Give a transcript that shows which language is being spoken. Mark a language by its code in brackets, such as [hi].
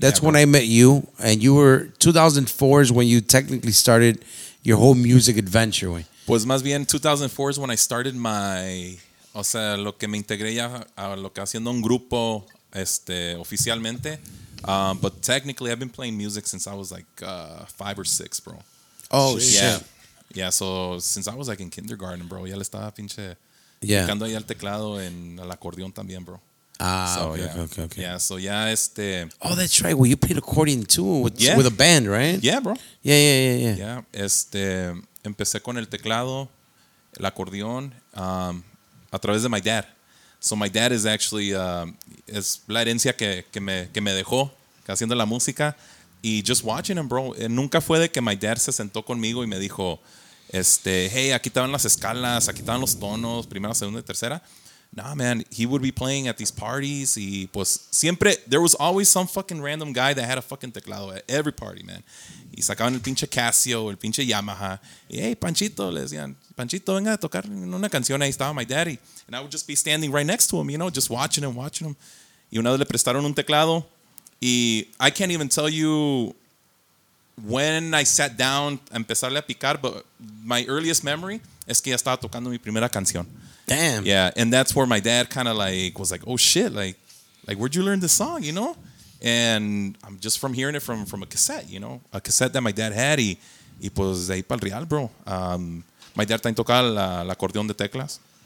[en] That's when I met you, and you were 2004 is when you technically started your whole music adventure. [es] Pues más bien [en] 2004 is when I started [es] lo que me integré ya a lo que haciendo un grupo oficialmente. [en] But technically, I've been playing music since I was like 5 or 6, bro. Oh, shit. Yeah, so since I was like in kindergarten, bro. [es] Ya le estaba pinche tocando ahí al teclado en el acordeón también, bro. [en] Okay. Yeah, so ya Oh, that's right. Well, you played accordion too with a band, right? Yeah, bro. Yeah. [es] Empecé con el teclado, el acordeón, a través de [en] my dad. So my dad is actually [es] es la herencia que me dejó haciendo la música y [en] just watching him, [es] bro. Nunca fue de que [en] my dad [es] se sentó conmigo y me dijo, hey, aquí estaban las escalas, aquí estaban los tonos, primera, segunda y tercera. [en] Nah, man, he would be playing at these parties [es] y pues siempre, [en] there was always some fucking random guy that had a fucking teclado at every party, man. [es] Y sacaban el pinche Casio, el pinche Yamaha. Y, hey, Panchito, le decían, Panchito, venga a tocar una canción. Ahí estaba [en] my daddy. And I would just be standing right next to him, you know, just watching him. [es] Y una vez le prestaron un teclado. Y [en] I can't even tell you when I sat down [es] a empezarle a picar, [en] but my earliest memory [es] es que ya estaba tocando mi primera canción. [en] Damn. Yeah, and that's where my dad kind of like was like, oh, shit, like where'd you learn this song, you know? And I'm just from hearing it from a cassette, you know, a cassette that my dad had. [es] Y pues ahí para el real, bro. [en] My dad [es] también tocaba el acordeón de teclas.